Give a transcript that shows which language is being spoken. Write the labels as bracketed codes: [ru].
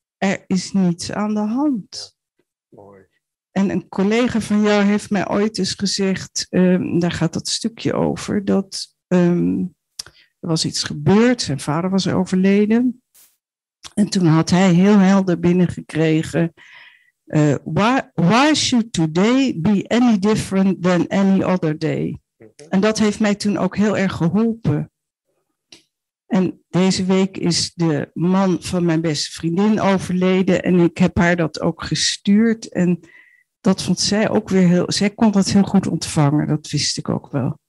[nl] Er is niets aan de hand. Ja, mooi. En een collega van jou heeft mij ooit eens gezegd, daar gaat dat stukje over, dat er was iets gebeurd, zijn vader was overleden. En toen had hij heel helder binnengekregen. [en] Why should today be any different than any other day? [nl] En dat heeft mij toen ook heel erg geholpen. En deze week is de man van mijn beste vriendin overleden. En ik heb haar dat ook gestuurd. En dat vond zij ook weer heel... Zij kon dat heel goed ontvangen. Dat wist ik ook wel.